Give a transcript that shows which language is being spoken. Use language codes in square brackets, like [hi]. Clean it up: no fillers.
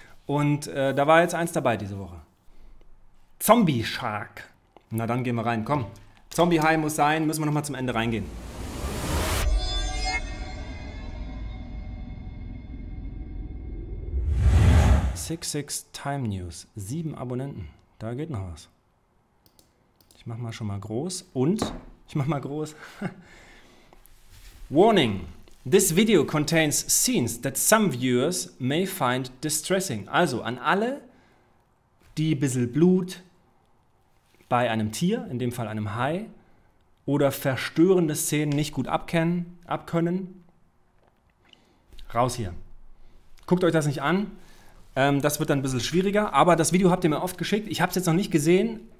[de] Und da war jetzt eins dabei diese Woche: Zombie Shark. Na dann gehen wir rein. Komm. Zombie High muss sein. Müssen wir nochmal zum Ende reingehen. Six Six Time News. 7 Abonnenten. Da geht noch was. Ich mach mal schon mal groß. Und? Ich mach mal groß. [en] Warning. This video contains scenes that some viewers may find distressing. [de] Also an alle, die ein bisschen Blut bei einem Tier, in dem Fall einem Hai, oder verstörende Szenen nicht gut abkönnen. Raus hier. Guckt euch das nicht an. Das wird dann ein bisschen schwieriger, aber das Video habt ihr mir oft geschickt. Ich habe es jetzt noch nicht gesehen.